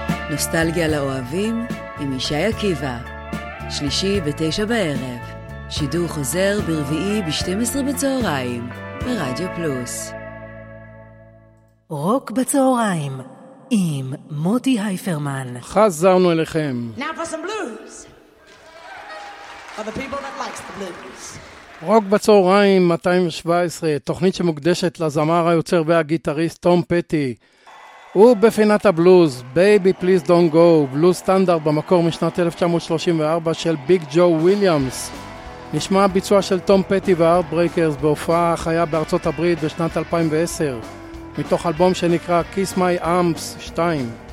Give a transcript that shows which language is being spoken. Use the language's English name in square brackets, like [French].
[Hebrew] נוסטלגיה לאוהבים עם ישי עקיבא, שלישי ב-9 בערב, שידור חוזר ברביעי ב-12 בצהריים ברדיו פלוס. רוק בצהריים עם מוטי הייפרמן. חזרנו אליכם. [English] Now for some blues for the people that likes the blues. [Hebrew] רוק בצהריים 217, תוכנית שמוקדשת לזמר היוצר והגיטריסט טום פטי. הוא בפינת הבלוז, Baby Please Don't Go, בלוז סטנדרט במקור משנת 1934 של ביג ג'ו וויליאמס. נשמע ביצוע של טום פטי והארטברייקרס בהופעה חיה בארצות הברית בשנת 2010, מתוך אלבום שנקרא Kiss My Arms 2.